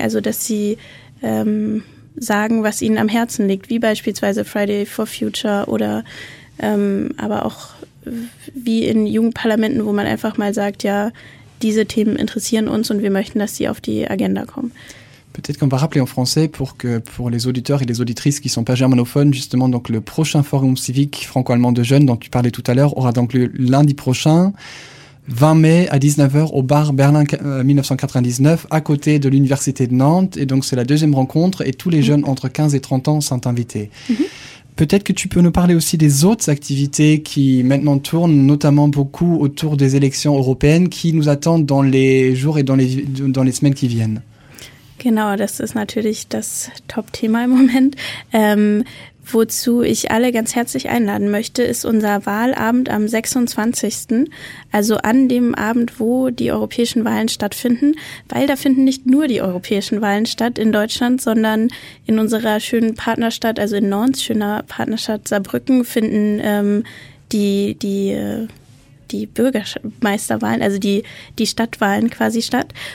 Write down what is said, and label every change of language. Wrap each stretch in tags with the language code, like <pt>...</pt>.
<de>Also dass sie sagen, was ihnen am Herzen liegt, wie beispielsweise Friday for Future oder aber auch wie in Jugendparlamenten, wo man einfach mal sagt, ja, diese Themen interessieren uns und wir möchten, dass sie auf die Agenda kommen.</de> <fr>Peut-être qu'on va rappeler en français pour les auditeurs et les auditrices qui ne sont pas germanophones, justement, donc le prochain forum civique franco-allemand de jeunes dont tu parlais tout à l'heure aura donc lieu lundi prochain, 20 mai à 19h au bar Berlin 1999 à côté de l'université de Nantes, et donc c'est la deuxième rencontre et tous les jeunes entre 15 et 30 ans sont invités. Peut-être que tu peux nous parler aussi des autres activités qui maintenant tournent, notamment beaucoup autour des élections européennes qui nous attendent dans les jours et dans les semaines qui viennent.</fr> <de>Genau, das ist natürlich das Top-Thema im Moment. Wozu ich alle ganz herzlich einladen möchte, ist unser Wahlabend am 26., also an dem Abend, wo die europäischen Wahlen stattfinden, weil da finden nicht nur die europäischen Wahlen statt in Deutschland, sondern in unserer schönen Partnerstadt, also in Nantes, schöner Partnerstadt Saarbrücken, finden die Bürgermeisterwahlen, also die Stadtwahlen quasi statt.</de>